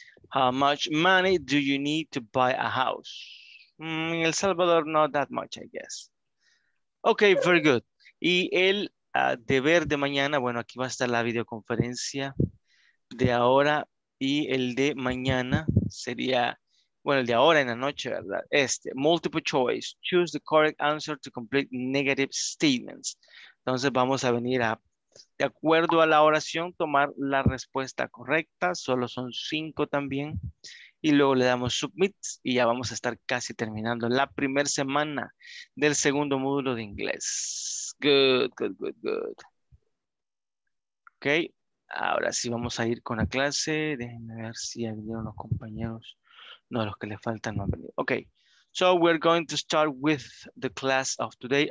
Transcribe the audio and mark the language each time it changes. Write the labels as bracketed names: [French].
[English] How much money do you need to buy a house? En El Salvador, not that much, I guess. Okay, very good. [Spanish] Y el deber de mañana, bueno, aquí va a estar la videoconferencia de ahora y el de mañana sería, bueno, el de ahora en la noche, ¿verdad? [English] Este, multiple choice. Choose the correct answer to complete negative statements. [Spanish] Entonces vamos a venir a, de acuerdo a la oración, tomar la respuesta correcta. Solo son 5 también. Y luego le damos submit y ya vamos a estar casi terminando la primera semana del segundo módulo de inglés. [English] Good, good, good, good. [Spanish] Ok, ahora sí vamos a ir con la clase. Déjenme ver si ya vinieron los compañeros. No, los que le faltan no han venido. [English] Ok, so we're going to start with the class of today.